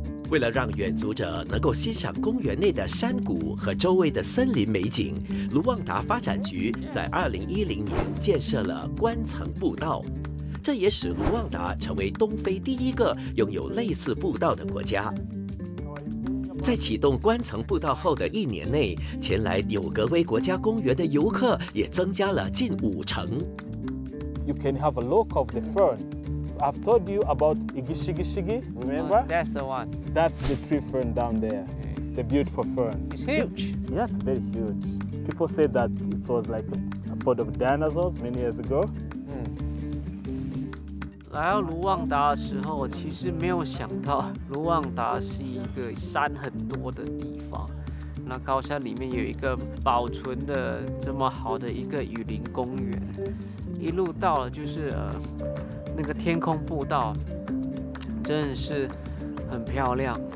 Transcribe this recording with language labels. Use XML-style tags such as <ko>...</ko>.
<zh>为了让远足者能够欣赏公园内的山谷和周围的森林美景，卢旺达发展局在2010年建设了观层步道，这也使卢旺达成为东非第一个拥有类似步道的国家。在启动观层步道后的一年内，前来纽格威国家公园的游客也增加了近50%。</zh> <en>You can have a look of the fern. So I've told you about Igishigishigi, remember? That's the one. That's the tree fern down there, the beautiful fern. It's huge. Yeah, it's very huge. People say that it was like a food of dinosaurs many years ago.</en> <zh>来到卢旺达的时候，其实没有想到卢旺达是一个山很多的地方。那高山里面有一个保存的这么好的一个雨林公园，一路到了就是那个天空步道，真的是很漂亮。</zh>